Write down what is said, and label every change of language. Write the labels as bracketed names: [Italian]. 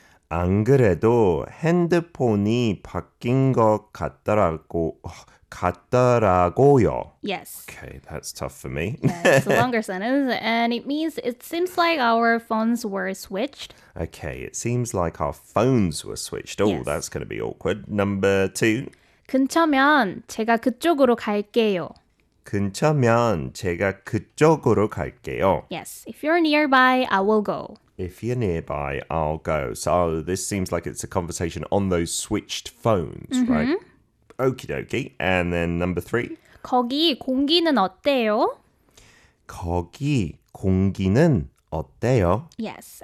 [Korean] 안 그래도 핸드폰이 바뀐 것 같더라고... 같더라고요. [English] Yes. Okay, that's tough for me. Yeah, it's a longer sentence, and it means it seems like our phones were switched. Okay, it seems like our phones were switched. Oh, that's going to be awkward. Number two. [Korean] 근처면 제가 그쪽으로 갈게요. 근처면 제가 그쪽으로 갈게요. [English] Yes, if you're nearby, I will go. If you're nearby, I'll go. So this seems like it's a conversation on those switched phones, right? Okie dokie. And then number three. [Korean] 거기 공기는 어때요? 거기 공기는 어때요? [English] Yes.